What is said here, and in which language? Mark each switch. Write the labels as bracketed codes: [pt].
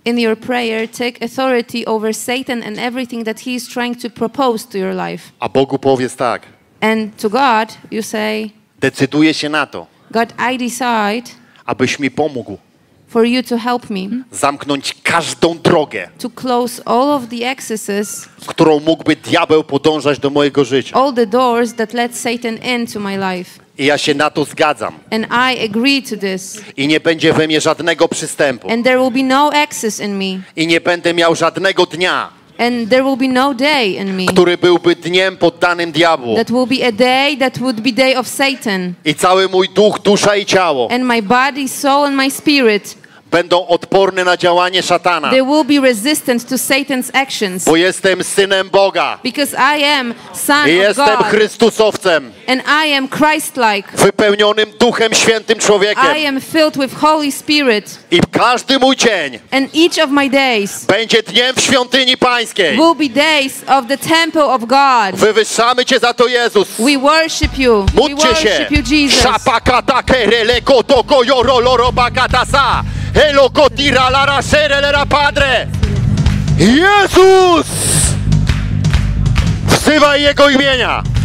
[en] In your prayer, take authority over Satan and everything that he is trying to propose to your life. [pl] A Bogu powiedz tak. [en] And to God, you say. [pl] Decyduję się na to. [en] God, I decide. [pl] Abyś mi pomógł. [en] For you to help me. [pl] Zamknąć każdą drogę. [en] To close all of the accesses. [pl] Którą mógłby diabeł podążać do mojego życia. [en] All the doors that let Satan into my life. [pl] I ja się na to zgadzam. [en] And I agree to this. [pl] I nie będzie we mnie żadnego przystępu. [en] And there will be no access in me. [pl] I nie będę miał żadnego dnia. [en] And there will be no day in me. [pl] Który byłby dniem poddanym diabłu. [en] That will be a day that would be day of Satan. [pl] I cały mój duch, dusza i ciało. [en] And my body, soul and my spirit. [pl] Będą odporne na działanie szatana. [en] They will be resistant to Satan's actions. [pl] Bo jestem synem Boga. [en] Because I am son of God. [pl] I jestem Chrystusowcem. [en] And I am Christ-like. [pl] Wypełnionym Duchem Świętym człowiekiem. [en] I am filled with Holy Spirit. [pl] I każdy mój dzień. [en] And each of my days. [pl] Będzie dniem w świątyni Pańskiej. [en] Will be days of the temple of God. [pl] Wywyższamy cię za to, Jezus. [en] We worship you. [pl] Módlcie się. [en] We worship you, Jesus. Szapakata kerele koto koyoro loro bakatasa. Hello cotira la rasere le la padre. Jezus! [pl] Wzywaj jego imienia.